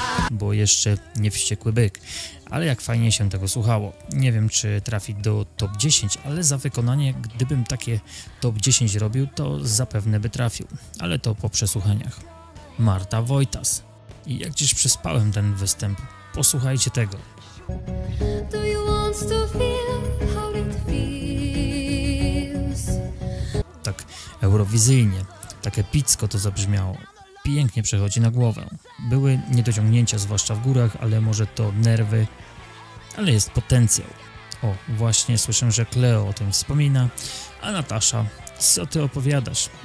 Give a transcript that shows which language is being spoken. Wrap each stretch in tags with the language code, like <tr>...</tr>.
<pl>Bo jeszcze nie wściekły byk. Ale jak fajnie się tego słuchało. Nie wiem, czy trafi do top 10, ale za wykonanie, gdybym takie top 10 robił, to zapewne by trafił. Ale to po przesłuchaniach. Marta Wojtas. I jak gdzieś przespałem ten występ, posłuchajcie tego.</pl> <en>Do you want to feel how it feels?</en> <pl>Tak eurowizyjnie, tak epicko to zabrzmiało. Pięknie przechodzi na głowę. Były niedociągnięcia, zwłaszcza w górach, ale może to nerwy. Ale jest potencjał. O, właśnie słyszę, że Cleo o tym wspomina. A Natasza, co ty opowiadasz?</pl>